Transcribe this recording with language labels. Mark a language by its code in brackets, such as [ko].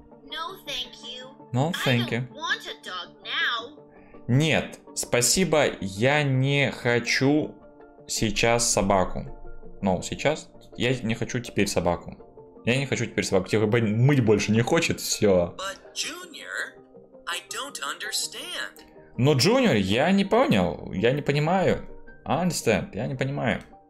[en] No, thank you. No, thank you. I don't want a dog now. [ru] Нет, спасибо, я не хочу сейчас собаку. Но сейчас я не хочу теперь собаку. Я не хочу теперь собаку. Тебя мыть больше не хочет, все. [en] But Junior, I don't understand. [ru] Но Junior, я не понял. Я не понимаю. Understand, я не понимаю.